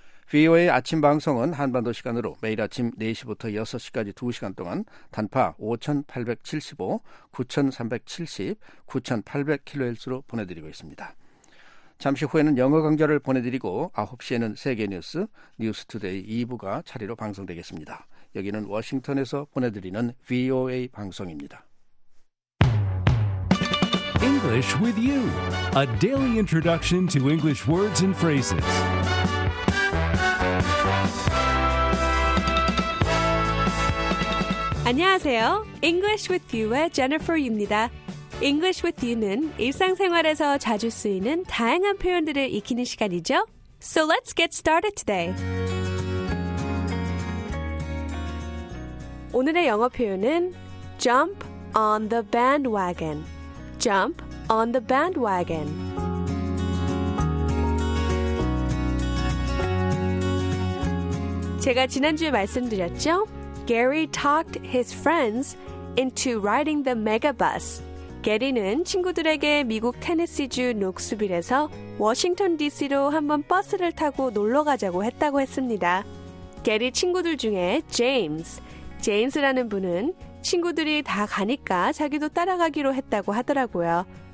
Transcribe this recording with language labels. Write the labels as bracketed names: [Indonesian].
[Korean] VOA 아침 방송은 한반도 시간으로 매일 아침 4시부터 6시까지 2시간 동안 단파 5875, 9370, 9800kHz로 보내드리고 있습니다. 잠시 후에는 영어 강좌를 보내드리고 9시에는 세계 뉴스, 뉴스 투데이 2부가 차례로 방송되겠습니다. 여기는 워싱턴에서 보내드리는 VOA 방송입니다. [English] English with you, a daily introduction to English words and phrases. [Korean] 안녕하세요. English with you의 Jennifer입니다. English with you는 일상생활에서 자주 쓰이는 다양한 표현들을 익히는 시간이죠. [English] So let's get started today. [Korean] 오늘의 영어 표현은 [English] jump on the bandwagon. [Korean] Jump on the bandwagon. 제가 지난주에 말씀드렸죠? [English] Gary talked his friends into riding the megabus. [Korean] 게리는 친구들에게 미국 테네시주 녹스빌에서 워싱턴 DC로 한번 버스를 타고 놀러가자고 했다고 했습니다. 게리 친구들 중에 제임스라는 분은 친구들이 다 가니까 자기도 따라가기로 했다고 하더라고요.